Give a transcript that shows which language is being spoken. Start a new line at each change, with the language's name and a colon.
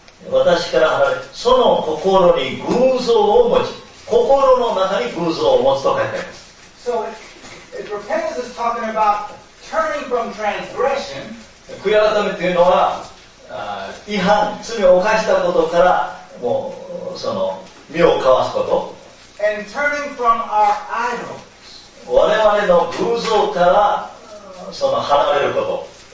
Japanese: 私から離れ、その心に偶像を持ち、心の中に偶像を持つと書いてあります。
English: So, if repentance is talking about turning from transgression,
Japanese: 悔い改めというのは、違反、罪を犯したことから、もう、その、身を交わすこと。
English: And turning from our idol.
Japanese: 我々の偶像からその離れること。